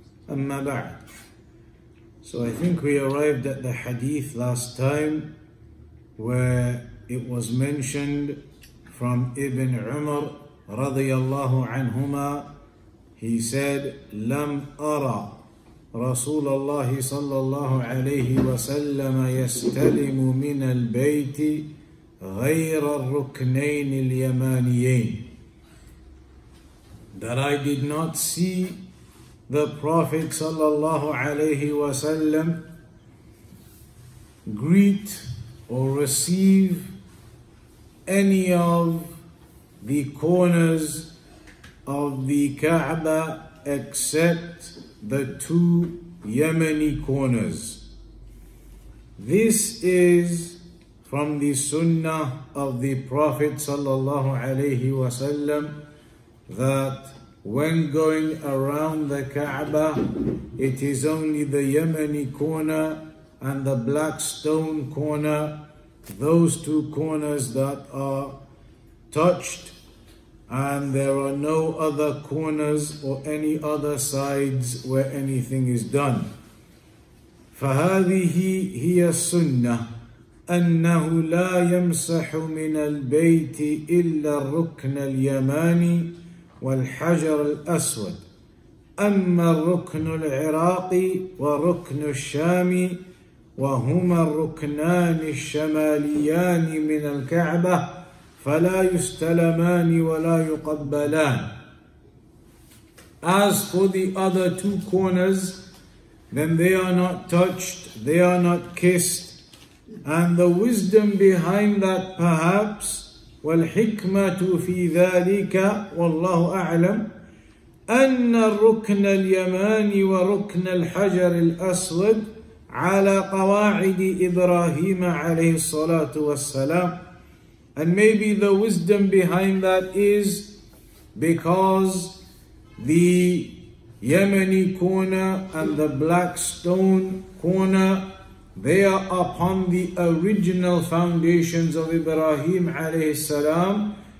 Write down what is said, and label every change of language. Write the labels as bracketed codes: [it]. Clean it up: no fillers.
[ar] أما بعد، [en] so I think we arrived at the hadith last time where it was mentioned from Ibn Umar [ar] رضي الله عنهما. [en] He said, [ar] لم أرى رسول الله صلى الله عليه وسلم يستلم من البيت غير الركنين اليمانيين. [en] That I did not see the Prophet sallallahu alayhi wasallam greet or receive any of the corners of the Kaaba except the two Yemeni corners. This is from the Sunnah of the Prophet sallallahu alayhi wasallam, that when going around the Kaaba, it is only the Yemeni corner and the black stone corner, those two corners that are touched, and there are no other corners or any other sides where anything is done. [ar] فهذه هي السنة أنه لا يمسح من البيت إلا الركن اليماني والحجر الأسود، أما الركن العراقي وركن الشام وهما الركنان الشماليان من الكعبة فلا يستلمان ولا يقبلان. [en] As for the other two corners, then they are not touched, they are not kissed. And the wisdom behind that perhaps, [ar] والحكمة في ذلك والله أعلم، أن الركن اليماني وركن الحجر الأسود على قواعد إبراهيم عليه الصلاة والسلام. [en] And maybe the wisdom behind that is because the Yemeni corner and the black stone corner, they are upon the original foundations of Ibrahim alayhi salam.